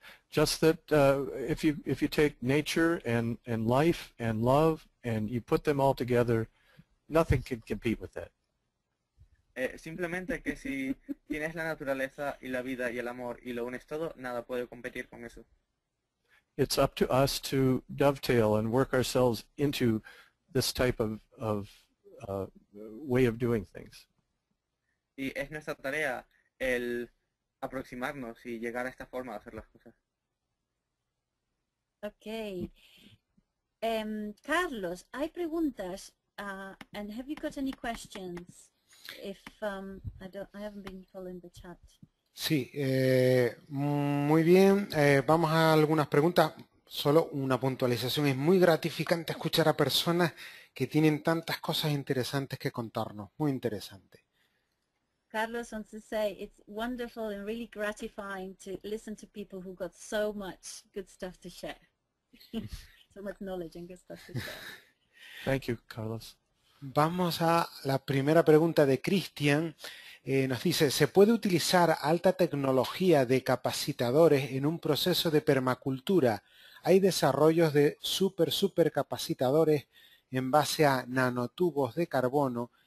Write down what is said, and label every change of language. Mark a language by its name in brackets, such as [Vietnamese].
[English] Just that if you take nature and life and love and you put them all together, nothing can compete with that. [Spanish] Simplemente que si tienes la naturaleza y la vida y el amor y lo unes todo, nada puede competir con eso. [English] It's up to us to dovetail and work ourselves into this type of way of doing things. [Spanish] Y es nuestra tarea el aproximarnos y llegar a esta forma de hacer las cosas. Okay. Carlos, ¿hay preguntas? [English] And have you got any questions? I haven't been following the chat. [Spanish] Sí, muy bien. Vamos a algunas preguntas. Solo una puntualización. Es muy gratificante escuchar a personas que tienen tantas cosas interesantes que contarnos. Muy interesante. [English] Carlos wants to say it's wonderful and really gratifying to listen to people who got so much good stuff to share. So much knowledge and good stuff to share. Thank you, Carlos. [Spanish] Vamos a la primera pregunta de Cristian. Nos dice, ¿se puede utilizar alta tecnología de capacitadores en un proceso de permacultura? ¿Hay desarrollos de super capacitadores en base a nanotubos de carbono?